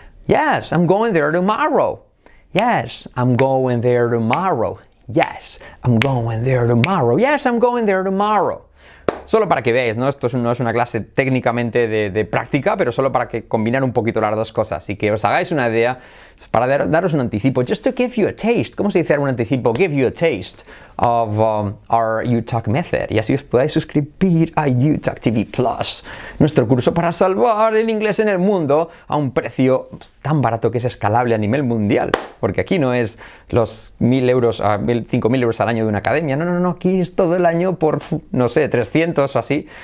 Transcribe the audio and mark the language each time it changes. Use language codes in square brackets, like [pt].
[en] Yes, I'm going there tomorrow. Yes, I'm going there tomorrow. Yes, I'm going there tomorrow. Yes, I'm going there tomorrow. [es] Solo para que veáis, ¿no? Esto no es una clase técnicamente de práctica, pero solo para que combinar un poquito las dos cosas y que os hagáis una idea, para daros un anticipo. [en] Just to give you a taste. [es] ¿Cómo se dice un anticipo? [en] Give you a taste of our UTalk method. [es] Y así os podáis suscribir a UTalk TV Plus, nuestro curso para salvar el inglés en el mundo a un precio tan barato que es escalable a nivel mundial. Porque aquí no es los 1.000 euros, 5.000 euros al año de una academia. No, no, no. Aquí es todo el año por, no sé, 300 o así.